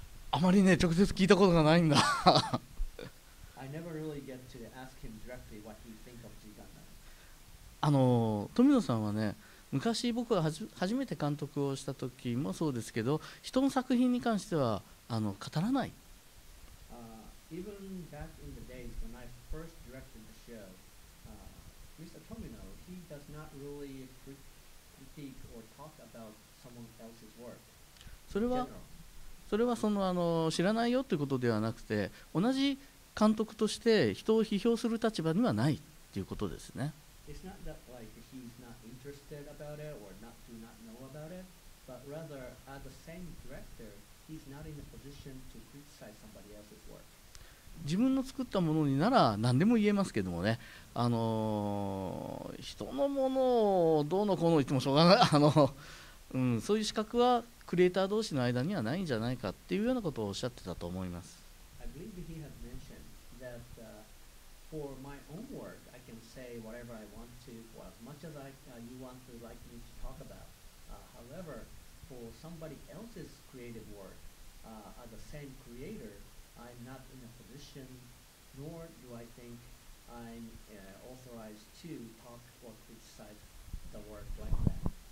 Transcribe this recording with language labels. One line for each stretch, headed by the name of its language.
Japanese: あまりね、直接聞いたことがないんだ。
English: I never really get to ask him directly what he think of G Gundam.
Japanese: 富野さんはね、昔僕が初めて監督をした時もそうですけど、人の作品に関しては語らない。
English: Even back in the days when I first directed the show, Mr. Tomino, he does not really critique or talk about someone else's work.
Japanese: それはその知らないよということではなくて、同じ監督として人を批評する立場にはないということですね。
English: It's not that like he's not interested about it or not do not know about it, but rather as the same director, he's not in a position to criticize somebody else's work.
Japanese: 自分の作ったものになら何でも言えますけどもね、人のものをどうのこうの言ってもしょうがない、そういう資格はクリエイター同士の間にはないんじゃないかっていうようなことをおっしゃってたと思います。
English: I believe he had mentioned that、for my own work I can say whatever I want to or as much as I,、you want to like me to talk about、however for somebody else's creative work、as the same creator I'm not in a position nor do I think I'm、authorized to talk or criticize the work like that。